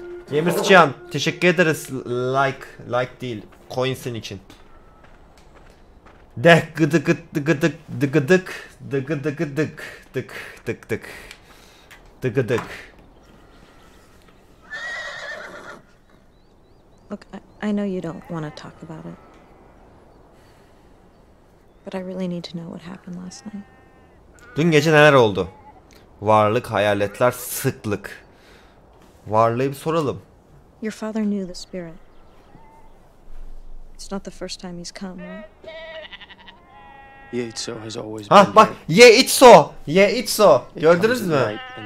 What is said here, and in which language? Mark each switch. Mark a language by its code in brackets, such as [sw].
[tr] Gamerscan, teşekkür ederiz. Like. Like değil. Coin senin için. Dek gıdık gıdık gıdık gıdık gıdık gıdık gıdık gıdık gıdık gıdık. [en] Look, I know you don't want to talk about it. But I really need to know what happened last night. [tr] Dün gece neler oldu? Varlık, hayaletler, sıklık. Varlığı bir soralım. [en] Your father knew the spirit. It's not the first time he's come, right? [tr] Ha bak, Yeitso, Yeitso, gördünüz mü?